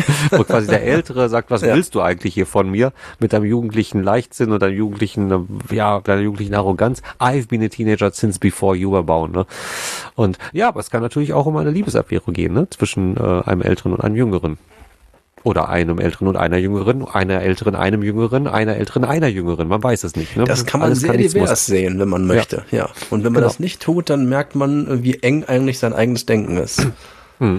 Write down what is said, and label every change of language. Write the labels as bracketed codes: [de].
[de] Und quasi der Ältere sagt: Was willst du eigentlich hier von mir? Mit deinem jugendlichen Leichtsinn und deinem jugendlichen, ja, deiner jugendlichen Arroganz. [en] I've been a teenager since before you were born, ne? [de] Und ja, aber es kann natürlich auch um eine Liebeserklärung gehen, ne? Zwischen einem Älteren und einem Jüngeren. Oder einem Älteren und einer Jüngeren, einer Älteren, einem Jüngeren, einer Älteren, einer Jüngeren. Man weiß es nicht. Ne? Das kann man sehr divers sehen, wenn man möchte. Ja. Und wenn man das nicht tut, dann merkt man, wie eng eigentlich sein eigenes Denken ist. Hm.